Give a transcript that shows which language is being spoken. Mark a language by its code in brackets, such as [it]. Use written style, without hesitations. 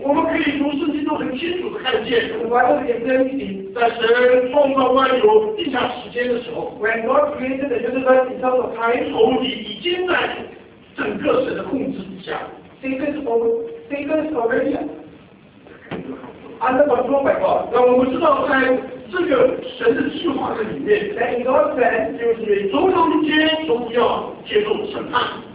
[zh] 我们可以从圣经中很清楚地看见，但神创造万有定下时间的时候， [en] when God created the universe in terms of time, [zh] 仇敌已经在整个神的控制底下。 [en] Satan's already under control by God. [zh] 那我们知道在这个神的计划的里面， [en] in God's plan, [zh] 就是每种间都要接受审判。